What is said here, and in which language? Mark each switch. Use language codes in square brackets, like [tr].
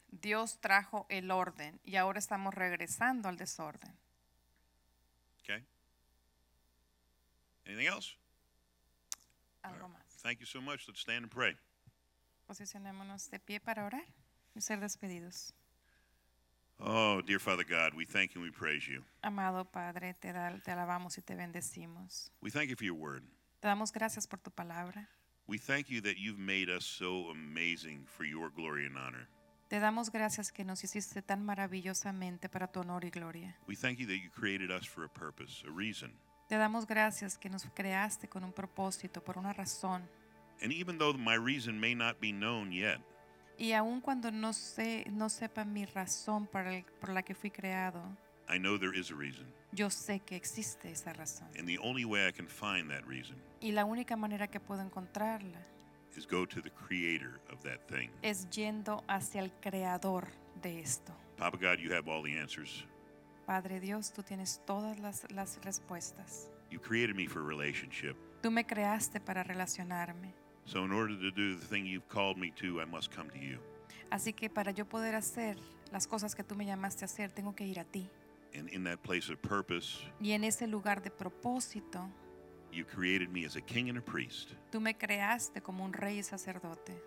[es] Dios trajo el orden, y ahora estamos regresando al desorden. [en] Okay. Anything else? [es] Algo [en] right. [es] más. [en] Thank you so much. Let's stand and pray. [es] Posicionémonos de pie para orar. Y ser despedidos. [en] Oh, dear Father God, we thank you and we praise you. [es] Amado Padre, te alabamos y te bendecimos. [en] We thank you for your word. [es] Te damos gracias por tu palabra. [en] We thank you that you've made us so amazing for your glory and honor. [es] Te damos gracias que nos hiciste tan maravillosamente para tu honor y gloria. [en] We thank you that you created us for a purpose, a reason. [es] Te damos gracias que nos creaste con un propósito, por una razón. [en] And even though my reason may not be known yet, [es] y aun cuando no sepa mi razón por la que fui creado, [en] I know there is a reason. [es] Yo sé que existe esa razón. [en] And the only way I can find that reason, [es] y la única manera que puedo encontrarla, [en] is go to the creator of that thing. [es] Es yendo hacia el creador de esto. [en] Papa God, you have all the answers. [es] Padre Dios, tú tienes todas las respuestas. [en] You created me for a relationship. [es] Tú me creaste para relacionarme. [en] So in order to do the thing you've called me to, I must come to you. [es] Así que para yo poder hacer las cosas que tú me llamaste a hacer, tengo que ir a ti. [en] And in that place of purpose, [es] y en ese lugar de propósito, [en] you created me as a king and a priest. [es] Tú me creaste como un rey y sacerdote.